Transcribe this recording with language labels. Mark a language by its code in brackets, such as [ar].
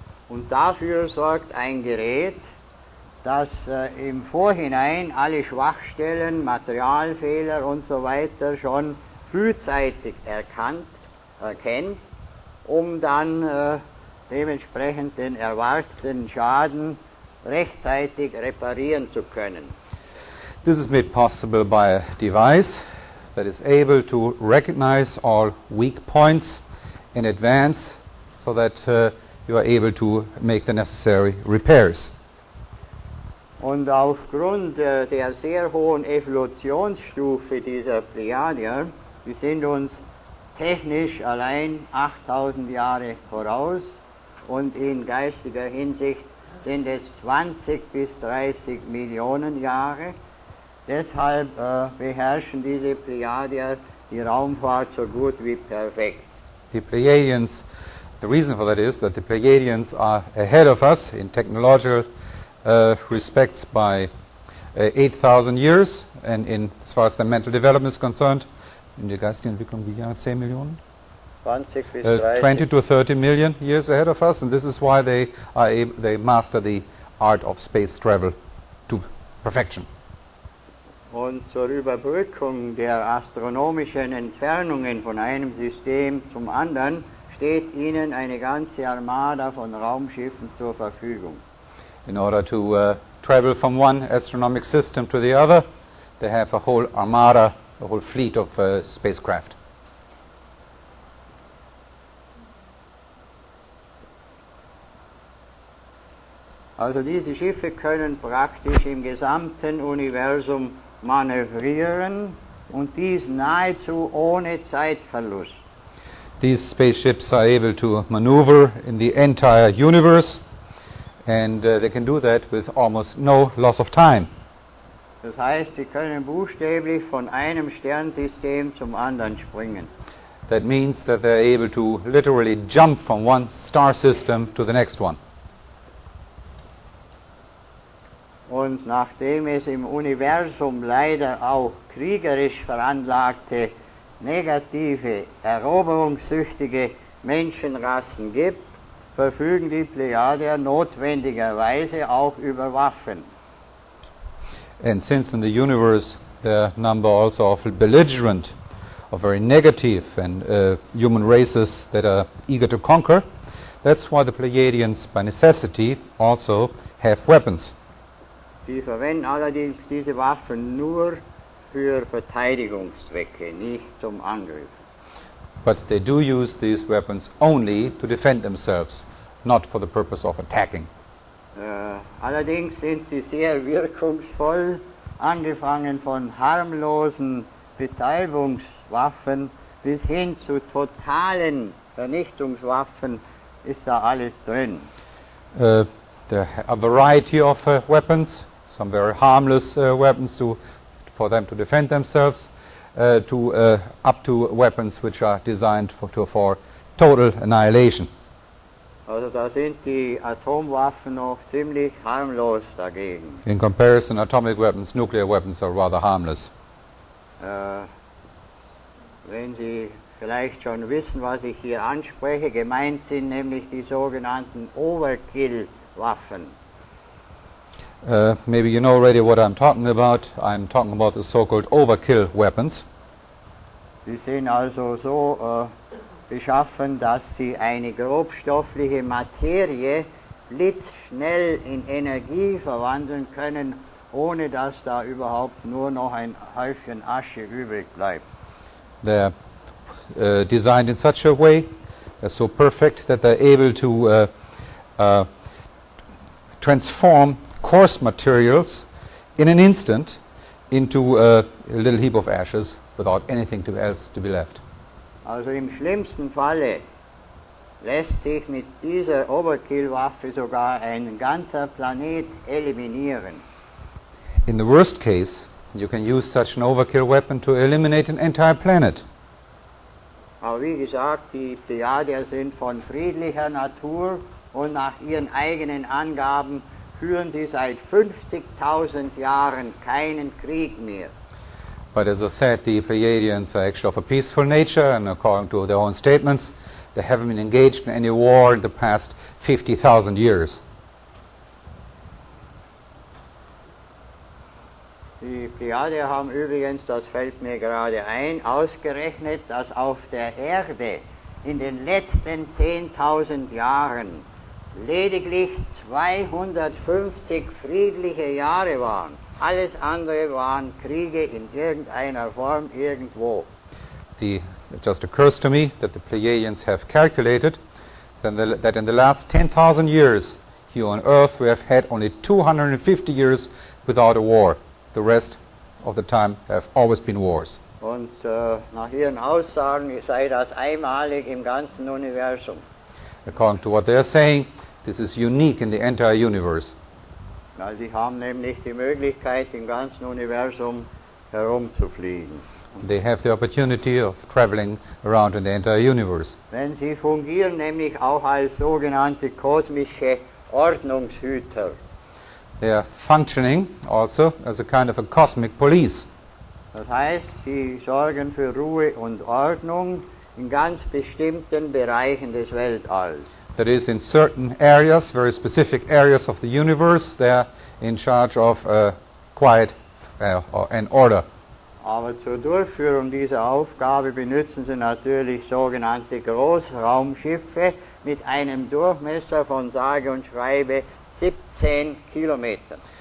[de] Und dafür sorgt ein Gerät, das im Vorhinein alle Schwachstellen, Materialfehler und so weiter schon frühzeitig erkennt, um dann dementsprechend den erwarteten Schaden rechtzeitig reparieren zu können. [en] This is made possible by a device that is able to recognize all weak points in advance so that you are able to make the necessary repairs. [de] Und aufgrund der sehr hohen Evolutionsstufe dieser Plejadier, wir sind uns technisch allein 8000 Jahre voraus und in geistiger Hinsicht sind es 20 bis 30 Millionen Jahre. Deshalb beherrschen diese Plejadier die Raumfahrt so gut wie perfekt. [en] Die Plejadians, the reason for that is that the Plejadians are ahead of us in technological respects by 8000 years and in as far as the mental development is concerned, [de] in der geistigen Entwicklung wie lange? 10 Millionen? 20 bis 30. [en] 20 to 30 million years ahead of us, and this is why they master the art of space travel to perfection. [de] Und zur Überbrückung der astronomischen Entfernungen von einem System zum anderen steht ihnen eine ganze Armada von Raumschiffen zur Verfügung. [en] In order to travel from one astronomic system to the other, they have a whole armada, a whole fleet of spacecraft. [de] Also diese Schiffe können praktisch im gesamten Universum manövrieren und dies nahezu ohne Zeitverlust. [en] These spaceships are able to maneuver in the entire universe and they can do that with almost no loss of time. [de] Das heißt, sie können buchstäblich von einem Sternsystem zum anderen springen. [en] That means that they are able to literally jump from one star system to the next one. [de] Und nachdem es im Universum leider auch kriegerisch veranlagte, negative, eroberungssüchtige Menschenrassen gibt, verfügen die Plejadier notwendigerweise auch über Waffen. [en] And since in the universe there are number also of belligerent, of very negative and human races that are eager to conquer, that's why the Plejadians by necessity also have weapons. [de] Sie verwenden allerdings diese Waffen nur für Verteidigungszwecke, nicht zum Angriff. [en] But they do use these weapons only to defend themselves, not for the purpose of attacking. [de] Allerdings sind sie sehr wirkungsvoll, angefangen von harmlosen Betäubungswaffen bis hin zu totalen Vernichtungswaffen ist da alles drin. [en] There are a variety of weapons, some very harmless weapons to for them to defend themselves, up to weapons which are designed for total annihilation. [de] Also da sind die Atomwaffen noch ziemlich harmlos dagegen. [en] In comparison, atomic weapons, nuclear weapons are rather harmless. [de] Wenn Sie vielleicht schon wissen, was ich hier anspreche, gemeint sind nämlich die sogenannten Overkill-Waffen. [en] Maybe you know already what I'm talking about. I'm talking about the so-called overkill weapons. [de] Sie sind also so beschaffen, dass sie eine grobstoffliche Materie blitzschnell in Energie verwandeln können, ohne dass da überhaupt nur noch ein Häufchen Asche übrig bleibt. [en] They're designed in such a way, they're so perfect that they're able to transform coarse materials in an instant into a little heap of ashes without anything else to be left. [de] Also im schlimmsten Falle lässt sich mit dieser Overkill-Waffe sogar ein ganzer Planet eliminieren. [en] In the worst case, you can use such an overkill weapon to eliminate an entire planet. [de] Aber wie gesagt, die Plejadier sind von friedlicher Natur und nach ihren eigenen Angaben führen sie seit 50.000 Jahren keinen Krieg mehr. [en] But as I said, the Plejadians are actually of a peaceful nature, and according to their own statements, they haven't been engaged in any war in the past 50,000 years. [de] Die Plejadier haben übrigens, das fällt mir gerade ein, ausgerechnet, dass auf der Erde in den letzten 10.000 Jahren lediglich 250 friedliche Jahre waren. Alles andere waren Kriege in irgendeiner Form, irgendwo. [en] It just occurs to me that the Plejadians have calculated that in the last 10,000 years, here on Earth. We have had only 250 years without a war. The rest of the time have always been wars. [de] Und nach ihren Aussagen sei das einmalig im ganzen Universum. [en] According to what they are saying, this is unique in the entire universe. [de] Weil sie haben nämlich die Möglichkeit, im ganzen Universum herumzufliegen. [en] They have the opportunity of traveling around in the entire universe. [de] Wenn sie fungieren nämlich auch als sogenannte kosmische Ordnungshüter. [en] They are functioning also as a kind of a cosmic police. [de] Das heißt, sie sorgen für Ruhe und Ordnung in ganz bestimmten Bereichen des Weltalls. [en] That is, in certain areas, very specific areas of the universe, they are in charge of quiet and order. [de] Aber zur Durchführung dieser Aufgabe benutzen sie natürlich sogenannte Großraumschiffe mit einem Durchmesser von sage und schreibe 17 Kilometern.